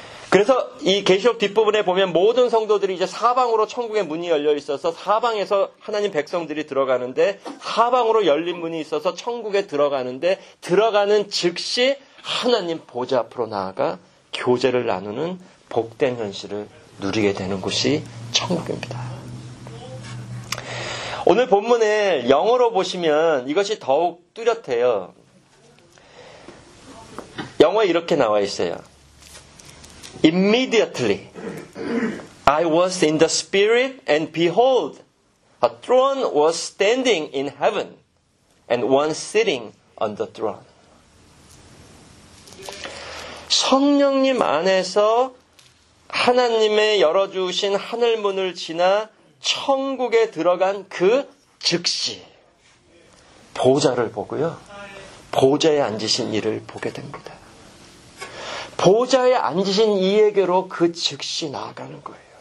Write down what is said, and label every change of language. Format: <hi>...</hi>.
<ko>그래서 이 계시록 뒷부분에 보면 모든 성도들이 이제 사방으로 천국의 문이 열려 있어서 사방에서 하나님 백성들이 들어가는데 사방으로 열린 문이 있어서 천국에 들어가는데 들어가는 즉시 하나님 보좌 앞으로 나아가 교제를 나누는 복된 현실을 누리게 되는 곳이 천국입니다. 오늘 본문에 영어로 보시면 이것이 더욱 뚜렷해요. 영어에 이렇게 나와 있어요.</ko> <en>Immediately, I was in the spirit, and behold, a throne was standing in heaven, and one sitting on the throne.</en> <ko>성령님 안에서 하나님의 열어주신 하늘문을 지나 천국에 들어간 그 즉시 보좌를 보고요. 보좌에 앉으신 이를 보게 됩니다. 보좌에 앉으신 이에게로 그 즉시 나아가는 거예요.</ko>